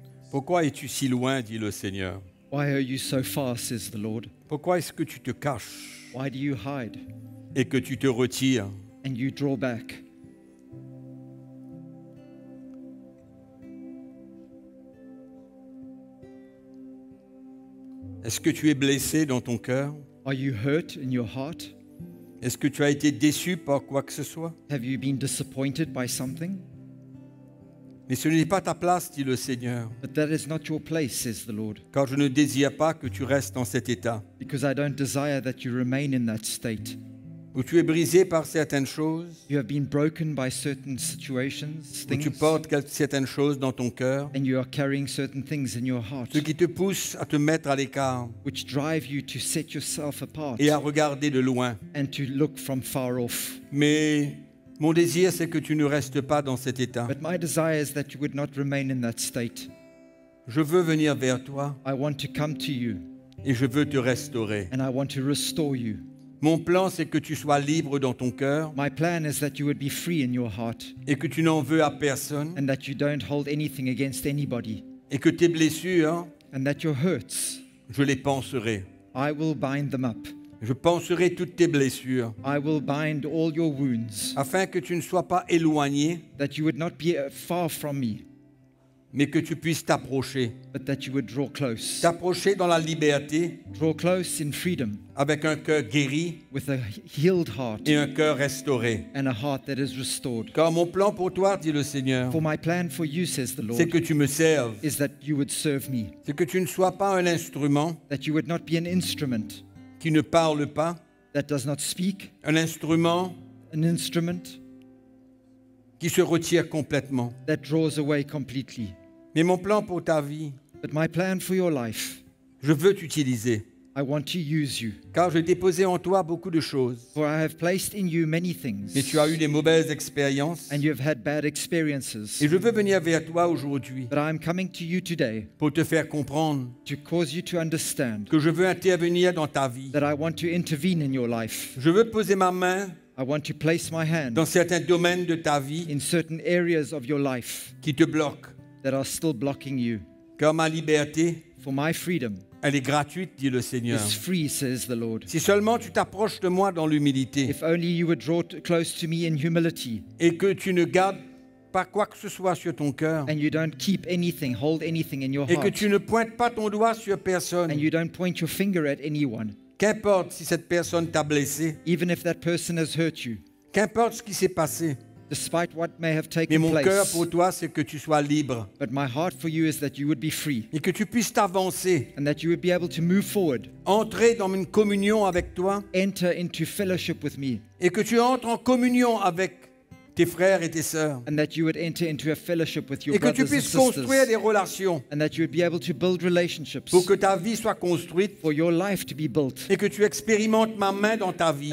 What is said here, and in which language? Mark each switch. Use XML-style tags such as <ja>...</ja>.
<fr>Pourquoi es-tu si loin, dit le Seigneur?</fr> <en>Why are you so far, says the Lord?</en> <fr>Pourquoi est-ce que tu te caches?</fr> <en>Why do you hide?</en> <fr>Et que tu te retires?</fr> <en>And you draw back.</en> <fr>Est-ce que tu es blessé dans ton cœur?</fr> <en>Are you hurt in your heart?</en> <fr>Est-ce que tu as été déçu par quoi que ce soit?</fr> <en>Have you been disappointed by something?</en> <fr>Mais ce n'est pas ta place, dit le Seigneur.</fr> <en>But that is not your place, says the Lord.</en> <fr>Car je ne désire pas que tu restes dans cet état.</fr> <en>Because I don't desire that you remain in that state.</en> <fr>Où tu es brisé par certaines choses.</fr> <en>You have been broken by certain situations, things.</en> <fr>Où tu portes certaines choses dans ton cœur.</fr> <en>And you are carrying certain things in your heart.</en> <fr>Ce qui te pousse à te mettre à l'écart.</fr> <en>Which drive you to set yourself apart.</en> <fr>Et à regarder de loin.</fr> <en>And to look from far off.</en> <fr>Mais mon désir, c'est que tu ne restes pas dans cet état.</fr> <en>But my desire is that you would not remain in that state.</en> <fr>Je veux venir vers toi.</fr> <en>I want to come to you.</en> <fr>Et je veux te restaurer.</fr> <en>And I want to restore you.</en> <fr>Mon plan, c'est que tu sois libre dans ton cœur.</fr> <en>My plan is that you would be free in your heart.</en> <fr>Et que tu n'en veux à personne.</fr> <en>And that you don't hold anything against anybody.</en> <fr>Et que tes blessures.</fr> <en>And that your hurts.</en> <fr>Je les panserai.</fr> <en>I will bind them up.</en> <fr>Je panserai toutes tes blessures.</fr> <en>I will bind all your wounds.</en> <fr>Afin que tu ne sois pas éloigné.</fr> <en>That you would not be far from me.</en> <fr>Mais que tu puisses t'approcher.</fr> <en>But that you would draw close.</en> <fr>T'approcher dans la liberté.</fr> <en>Draw close in freedom.</en> <fr>Avec un cœur guéri.</fr> <en>With a healed heart.</en> <fr>Et un cœur restauré.</fr> <en>And a heart that is restored.</en> <fr>Car mon plan pour toi, dit le Seigneur.</fr> <en>For my plan for you, says the Lord.</en> <fr>C'est que tu me serves.</fr> <en>Is that you would serve me.</en> <fr>C'est que tu ne sois pas un instrument.</fr> <en>That you would not be an instrument.</en> <fr>Qui ne parle pas.</fr> <en>That does not speak.</en> <fr>Un instrument.</fr> <en>An instrument.</en> <fr>Qui se retire complètement.</fr> <en>That draws away completely.</en> <fr>Mais mon plan pour ta vie.</fr> <en>But my plan for your life.</en> <fr>Je veux t'utiliser.</fr> <en>I want to use you.</en> <fr>Car j'ai déposé en toi beaucoup de choses.</fr> <en>For I have placed in you many things.</en> <fr>Mais tu as eu des mauvaises expériences.</fr> <en>And you have had bad experiences.</en> <fr>Et je veux venir vers toi aujourd'hui.</fr> <en>But I am coming to you today.</en> <fr>Pour te faire comprendre.</fr> <en>To cause you to understand.</en> <fr>Que je veux intervenir dans ta vie.</fr> <en>That I want to intervene in your life.</en> <fr>Je veux poser ma main.</fr> <en>I want to place my hand.</en> <fr>Dans certains domaines de ta vie.</fr> <en>In certain areas of your life.</en> <fr>Qui te bloquent.</fr> <en>That are still blocking you.</en> <fr>Car ma liberté.</fr> <en>For my freedom.</en> <fr>Elle est gratuite, dit le Seigneur.</fr> <en>It's free, says the Lord.</en> <fr>Si seulement tu t'approches de moi dans l'humilité.</fr> <en>If only you would draw close to me in humility.</en> <fr>Et que tu ne gardes pas quoi que ce soit sur ton cœur.</fr> <en>And you don't keep anything, hold anything in your heart.</en> <fr>Et que tu ne pointes pas ton doigt sur personne.</fr> <en>And you don't point your finger at anyone.</en> <fr>Qu'importe si cette personne t'a blessé.</fr> <en>Even if that person has hurt you.</en> <fr>Qu'importe ce qui s'est passé.</fr> <en>Despite what may have taken place.</en> <fr>Mais mon cœur pour toi, c'est que tu sois libre.</fr> <en>But my heart for you is that you would be free.</en> <fr>Et que tu puisses t'avancer.</fr> <en>And that you would be able to move forward.</en> <fr>Entrer dans une communion avec toi.</fr> <en>Enter into fellowship with me.</en> <fr>Et que tu entres en communion avec tes frères et tes sœurs.</fr> <en>And that you would enter into a fellowship with your</en> <fr>et</fr> <en>brothers</en> <fr>que tu puisses</fr> <en>and sisters.</en> <fr>Construire des relations.</fr> <en>And that you would be able to build relationships.</en> <fr>Pour que ta vie soit construite.</fr> <en>For your life to be built.</en> <fr>Et que tu expérimentes ma main dans ta vie.</fr>